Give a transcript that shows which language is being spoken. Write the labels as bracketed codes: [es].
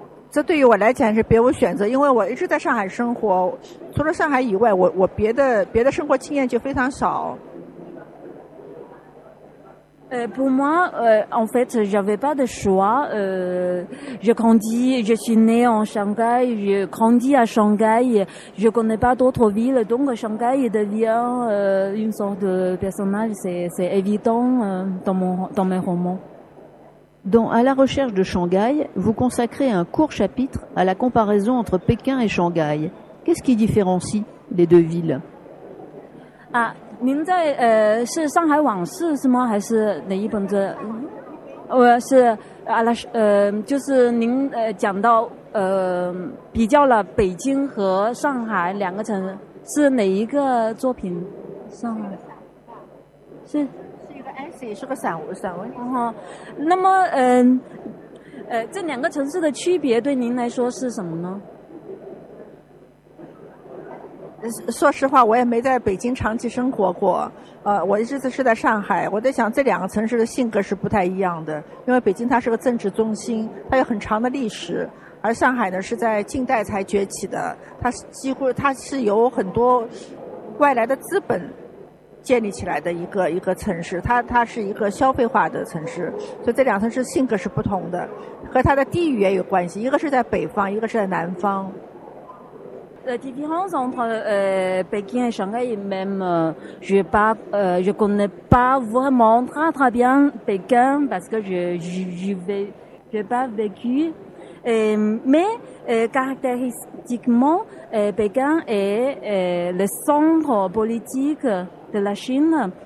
[zh] 这对于我来讲是别无选择，因为我一直在上海生活，除了上海以外，我别的生活经验就非常少。 [fr] Pour moi, en fait, j'avais pas de choix. Je suis née en Shanghai, j'ai grandi à Shanghai, je connais pas d'autres villes, donc Shanghai devient une sorte de personnage, c'est évident dans mes romans. Dans À la recherche de Shanghai, vous consacrez un court chapitre à la comparaison entre Pékin et Shanghai. Qu'est-ce qui différencie les deux villes ? [zh] Ah, 您在是《上海往事》是吗？还是哪一本子？我是阿拉就是您讲到比较了北京和上海两个城市，是哪一个作品？上海是。是个散文。那么，这两个城市的区别对您来说是什么呢？说实话我也没在北京长期生活过，我一直是在上海。我在想这两个城市的性格是不太一样的，因为北京它是个政治中心，它有很长的历史，而上海呢是在近代才崛起的，它几乎它是由很多外来的资本建立起来的一个城市，它是一个消费化的城市，所以这两个城市性格是不同的，和它的地域也有关系，一个是在北方，一个是在南方。 [fr] La différence entre Pékin et Shanghai, même, je connais pas vraiment très bien Pékin parce que j'ai pas vécu. Mais caractéristiquement, Pékin est le centre politique de la Chine.